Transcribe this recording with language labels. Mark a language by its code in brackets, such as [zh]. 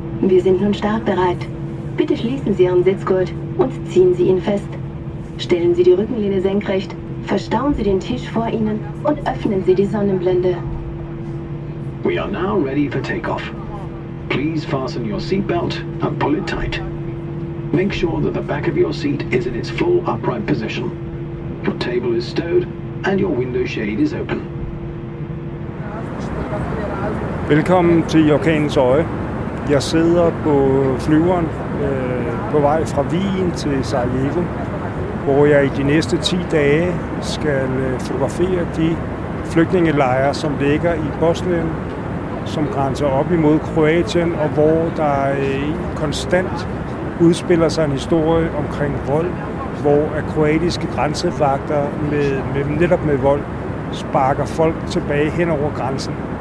[de] Wir sind nun startbereit. Bitte schließen Sie Ihren Sitzgurt und ziehen Sie ihn fest. Stellen Sie die Rückenlehne senkrecht, verstauen Sie den Tisch vor Ihnen und öffnen Sie die Sonnenblende. [en] We are now ready for takeoff. Please fasten your seatbelt and pull it tight. Make sure that the back of your seat is in its full upright position. Your table is stowed and your window shade is open. [da] Velkommen til Orkanens Øje. Jeg sidder på flyveren på vej fra Wien til Sarajevo, hvor jeg i de næste 10 dage skal fotografere de flygtningelejre, som ligger i Bosnien, som grænser op imod Kroatien, og hvor der konstant udspiller sig en historie omkring vold, hvor kroatiske grænsevagter med vold sparker folk tilbage hen over grænsen.